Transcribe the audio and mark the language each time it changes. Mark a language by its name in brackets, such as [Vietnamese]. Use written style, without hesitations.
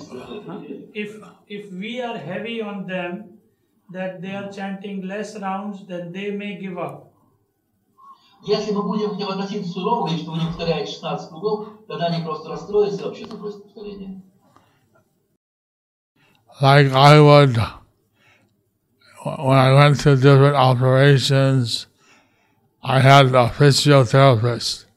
[English] If we are heavy on them, that they are chanting less rounds, then they may give up. [Russian] Если мы будем к ним относиться сурово, и что вы не повторяете 16 кругов, тогда они просто расстроятся и вообще запросят повторение. [English] Like I would, when I went to different operations, I had a physiotherapist.